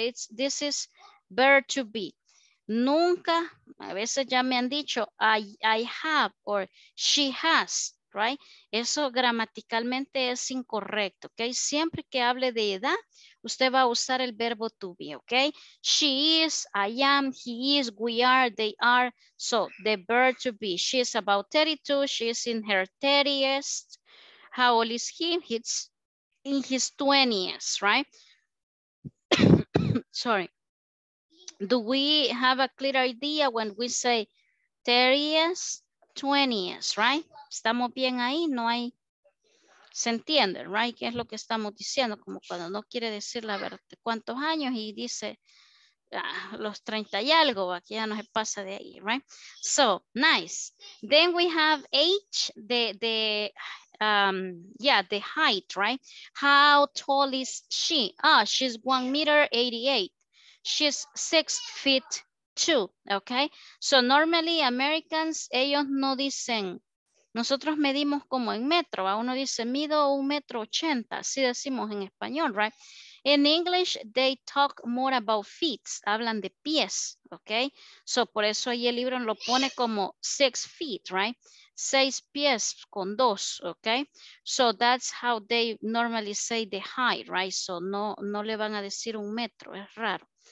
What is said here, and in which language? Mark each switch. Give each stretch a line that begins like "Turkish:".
English: This is verb to be.
Spanish: Nunca, a veces ya me han dicho,
English: I have or she has. Right?
Spanish: Eso gramaticalmente es incorrecto, ¿ok? Siempre que hable de edad, usted va a usar el verbo to be, ¿ok?
English: She is, I am, he is, we are, they are. So, the verb to be. She is about 32, she is in her 30s. How old is he? He's in his 20s, right? Sorry. Do we have a clear idea when we say 30s?
Spanish: 20s, right? Estamos bien ahí, no hay. Se entiende, right? ¿Qué es lo que estamos diciendo? Como cuando no quiere decir la verdad, cuántos años y dice los 30 y algo, aquí ya no se pasa de ahí, right?
English: So, nice. Then we have age, the height, right? How tall is she? Ah, she's 1.88 meters. She's 6'2". Okay, so normally Americans,
Spanish: ellos no dicen, nosotros medimos como en metro, a uno dice mido 1.80 meters, así decimos en español, right?
English: In English, they talk more about feet,
Spanish: hablan de pies,
English: okay?
Spanish: So por eso ahí el libro lo pone como 6 feet, right? 6 pies con 2, okay?
English: So that's how they normally say the height, right?
Spanish: So no le van a decir 1 meter, es raro.